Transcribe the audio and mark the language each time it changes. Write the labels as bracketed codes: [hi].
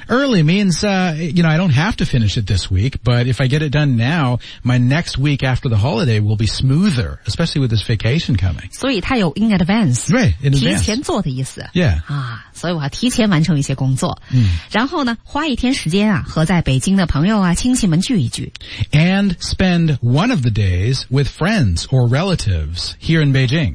[en] ?Early means, you know, I don't have to finish it this week, but if I get it done now, my next week after the holiday will be smoother, especially with this vacation coming. [zh] 所以它有 in advance. 对 in advance. 提前做的意思。 [en] Yeah. [zh] 啊所以我要提前完成一些工作。嗯。然后呢花一天时间啊和在北京的朋友啊亲戚们聚一聚。 [en] And spend one of the days with friends or relatives here in Beijing.